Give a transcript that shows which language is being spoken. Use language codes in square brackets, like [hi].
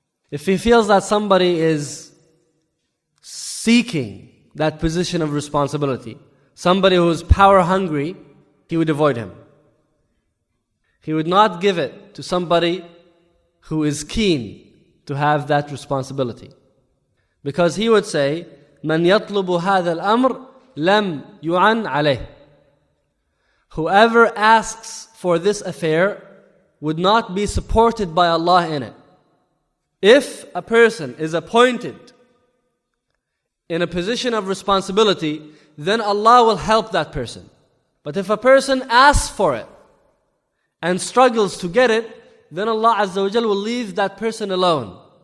[en] If he feels that somebody is seeking that position of responsibility, somebody who is power hungry, he would avoid him. He would not give it to somebody who is keen to have that responsibility. Because he would say, [ar] من يطلب هذا الأمر لم يعن عليه. [en] Whoever asks for this affair would not be supported by Allah in it. If a person is appointed in a position of responsibility, then Allah will help that person. But if a person asks for it and struggles to get it, then Allah Azza wa Jal will leave that person alone.